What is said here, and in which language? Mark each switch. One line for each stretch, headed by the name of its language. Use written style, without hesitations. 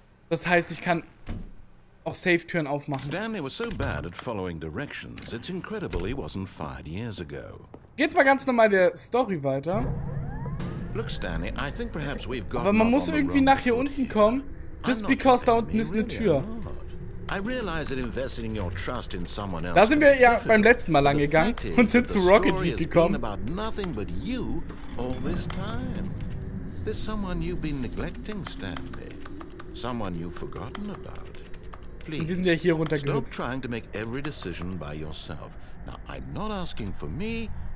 German: Das heißt, ich kann auch Safe-Türen aufmachen.
English: Stanley was so bad at following directions, it's incredible he wasn't fired years ago.
German: Geht's mal ganz normal der Story weiter.
English: Look, Stanley, I think perhaps we've got.
German: Aber man muss irgendwie nach hier unten kommen.
English: Just because
German: da unten ist eine Tür.
English: I realize that investing your trust in someone else.
German: Da sind wir ja beim letzten Mal lang gegangen und sind zu Rocket League gekommen.
English: About nothing but you all this time. There's someone you've been neglecting, Stanley. Someone you've forgotten about. Please.
German: Wir sind ja hier runtergegangen.
English: Stop trying to make every decision by yourself. Now I'm not asking for me.